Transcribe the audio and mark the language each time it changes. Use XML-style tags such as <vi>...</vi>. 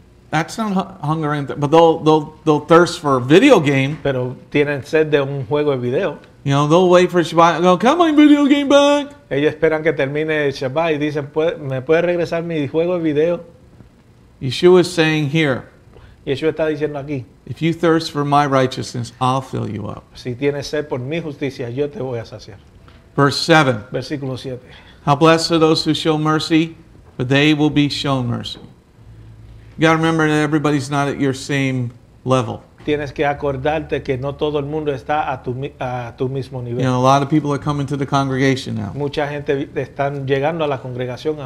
<en>That's not hunger and thirst. But they'll thirst for a video game.</en> <es>Pero tienen sed de un juego de video.</es> <en>They'll wait for Shabbat and go, come on, video game back.</en> <es>Ellos esperan que termine Shabbat y dicen, ¿me puede regresar mi juego de video?</es> <en>Yeshua is saying here.</en> <es>Yeshua está diciendo aquí,</es> <en>if you thirst for my righteousness, I'll fill you up.</en> <es>Si tienes sed por mi justicia, yo te voy a saciar.</es> <en>Verse 7.</en> <es>Versículo 7.</es> <en>How blessed are those who show mercy, for they will be shown mercy. You got to remember that everybody's not at your same level.</en> <es>Tienes que acordarte que no todo el mundo está a tu mismo nivel.</es> <en>You know, a lot of people are coming to the congregation now.</en> <es>Mucha gente están llegando a la congregación ahora.</es>